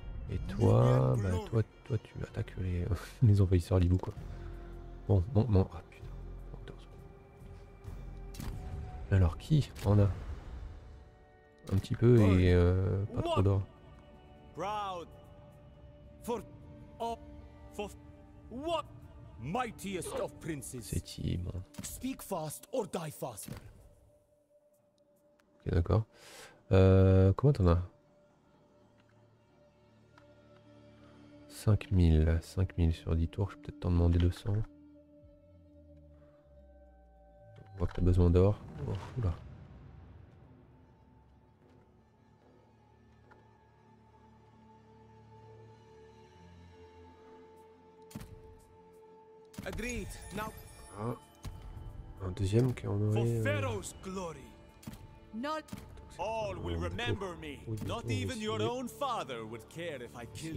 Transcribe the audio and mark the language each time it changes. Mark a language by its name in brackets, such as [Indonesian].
[French] Et toi, bah, toi, tu attaques les envahisseurs Libou, quoi. Bon. Ah, putain. Alors, qui en a? Un petit peu et pas trop d'or. [English] Proud for all for what mightiest of princes. [French] C'est qui, bon. [English] Speak fast or die fast. [French] Ok, d'accord. Comment t'en as? 5000 sur 10 tours, je vais peut-être t'en demander 200. On voit que t'as besoin d'or. Oh, oula. [English] Agreed. Now. [French] Un deuxième qui en aurait. [English] For Pharaoh's glory. Not all will remember me. Not even your own father would care if I killed